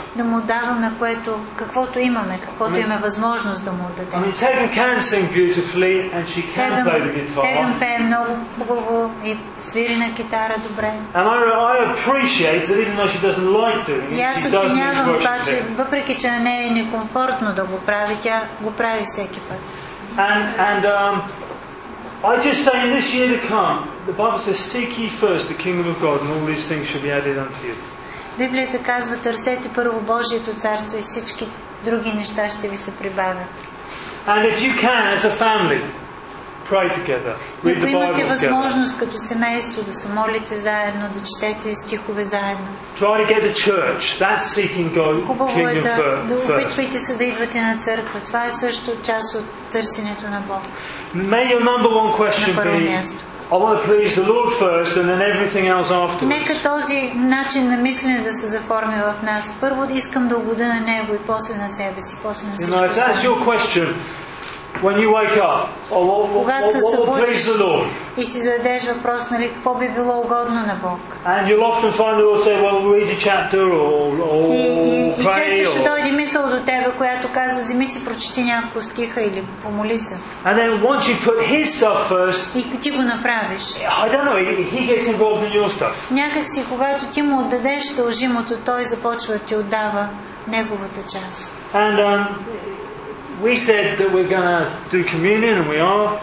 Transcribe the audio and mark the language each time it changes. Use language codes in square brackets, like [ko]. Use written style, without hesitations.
[bg] Да му даваме каквото имаме, каквото имаме възможност да му дадем. [en] I mean, Tegan can sing beautifully, and she can play the guitar. [bg] Tegan пее много хубаво и свири на китара добре. [en] And I appreciate that even though she doesn't like doing it, she does it. Yeah, [bg] so това, че въпреки че не е некомфортно да го прави, тя го прави всеки път. [en] I just say in this year to come, the Bible says, seek ye first the kingdom of God, and all these things shall be added unto you. [bg] Библията казва, търсете първо Божието царство и всички други неща ще ви се прибавят. [en] And if you can, as a family, pray together. Read the Bible together. [bg] Имате възможност като семейство да се молите заедно, да четете стихове заедно. [en] Try to get to church. That's seeking God, kingdom first. [bg] Да опитвайте се да идвате на църква. Това е също част от търсенето на Бог. May your number one question be, I want to please the Lord first, and then everything else afterwards. Нека този начин на мислене да се заформи в нас. Първо да искам да угода на Него и после на себе си, после на всичко. [en] If that's your question, when you wake up, what will please the Lord? [bg] И си зададеш въпрос, нали, какво би било угодно на Бог. [en] And you'll often find the Lord say, well, read a chapter or pray. [bg] И често ще дойде мисъл до тебе, която казва, вземи си, прочети някакво стиха или помоли се. [en] And then once you put His stuff first, [bg] и ти го направиш. [en] I don't know, He gets involved in your stuff. [bg] Някак си, когато ти му отдадеш дължимото, Той започва да ти отдава неговата част. [en] And We said that we're going to do communion, and we are